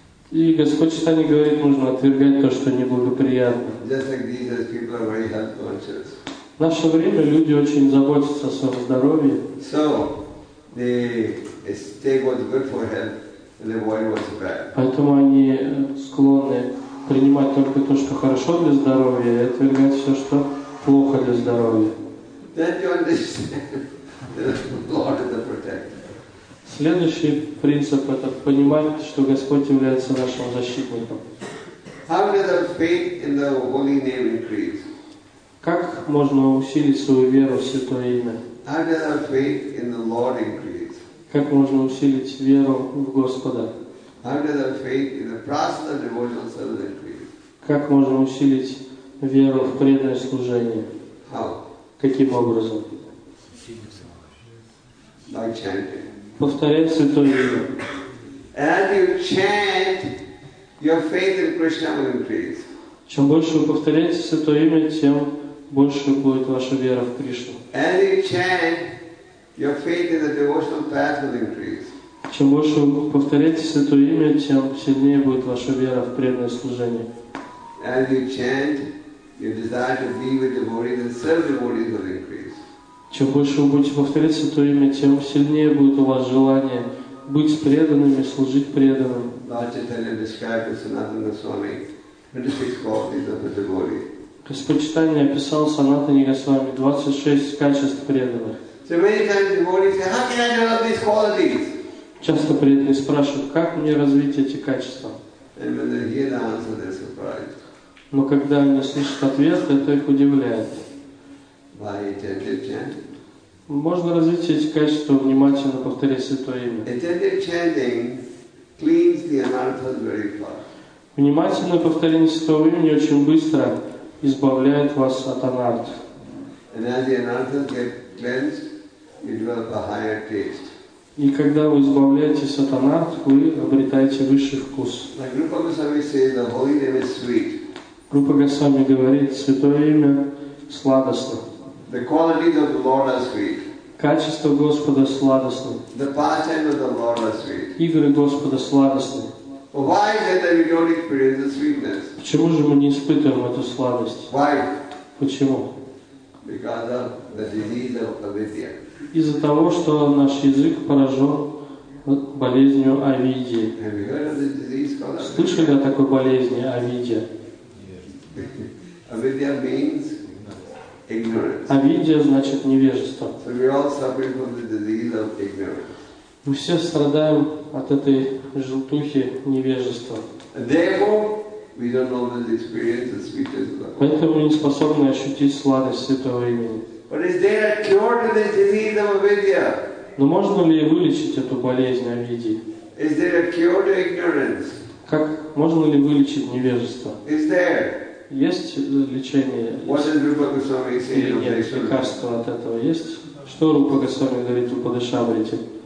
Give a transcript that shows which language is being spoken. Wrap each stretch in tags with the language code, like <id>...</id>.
<ru>И Господь Читания говорит, нужно отвергать то, что неблагоприятно. В наше время люди очень заботятся о своем здоровье.</ru> <en>So, they take what's good for health and avoid what's bad.</en> <ru>Поэтому они склонны принимать только то, что хорошо для здоровья, и отвергать все, что плохо для здоровья.</ru> <en>Then you understand that the Lord is the protector.</en> <ru>Следующий принцип – это понимать, что Господь является нашим защитником.</ru> <en>How does our faith in the holy name increase?</en> <ru>Как можно усилить свою веру в Святое Имя?</ru> <en>How does our faith in the Lord increase?</en> <ru>Как можно усилить веру в Господа?</ru> <en>How does our faith in the process of devotional service increase?</en> <ru>Как можно усилить веру в преданное служение?</ru> <en>How?</en> <ru>Каким образом?</ru> <en>By chanting.</en> <ru>Повторять Святое Имя.</ru> <en>As you chant, your faith in Krishna will increase.</en> <ru>Чем больше вы повторяете Святое Имя, тем больше будет ваша вера в Кришну.</ru> <en>As you chant, your faith in the devotional path will increase.</en> <ru>Чем больше вы повторяете Святое Имя, тем сильнее будет ваша вера в преданное служение.</ru> <en>As you chant, your desire to be with devotees and serve devotees will increase.</en> <ru>Чем больше вы будете повторять Святое Имя, тем сильнее будет у вас желание быть преданными, служить преданным.</ru> <en>Lord Chaitanya described to Sanatana Goswami 26 qualities of a devotee.</en> <ru>Господь Читания описал Санатане Госвами 26 качеств преданных.</ru> <en>So many times devotees say, how can I develop these qualities?</en> <ru>Часто преданные спрашивают, как мне развить эти качества?</ru> <en>And when they hear the answer, they're surprised.</en> <ru>Но когда они слышат ответ, это их удивляет.</ru> <en>By attentive chanting.</en> <ru>Можно развить эти качества, внимательно повторять Святое Имя.</ru> <en>Attentive chanting cleans the anarthas very fast.</en> <ru>Внимательное повторение Святого Имени очень быстро избавляет вас от анарт.</ru> <en>And as the anarthas get cleansed, you develop a higher taste.</en> <ru>И когда вы избавляетесь от анарт, вы обретаете высший вкус.</ru> <en>Like Rupa Goswami says, the holy name is sweet.</en> <ru>Rupa Goswami говорит, Святое Имя сладостно.</ru> <en>The qualities of the Lord are sweet.</en> <ru>Качество Господа сладостно.</ru> <en>The pastime of the Lord are sweet.</en> <ru>Игры Господа сладостны.</ru> <en>Why is it that we don't experience the sweetness?</en> <ru>Почему же мы не испытываем эту сладость?</ru> <en>Why?</en> <ru>Почему?</ru> <en>Because of the disease of avidya.</en> <ru>Из-за того, что наш язык поражен болезнью авидьи.</ru> <en>Have you heard of the disease called avidya?</en> <ru>Слышали о такой болезни авидья?</ru> <en>Avidya means</en> <ru>авидья значит невежество.</ru> <en>So we all suffer from the disease of ignorance.</en> <ru>Мы все страдаем от этой желтухи невежества.</ru> <en>Therefore, we don't know that the experience is sweetest of all.</en> <ru>Поэтому мы не способны ощутить сладость Святого Имени.</ru> <en>But is there a cure to the disease of avidya?</en> <ru>Но можно ли вылечить эту болезнь авидьи?</ru> <en>Is there a cure to ignorance?</en> <ru>Как можно ли вылечить невежество?</ru> <en>Is there?</en> <ru>Есть лечение? Нет, лекарство от этого есть? Что Рупа Госвами говорит в Упадешаврите?</ru>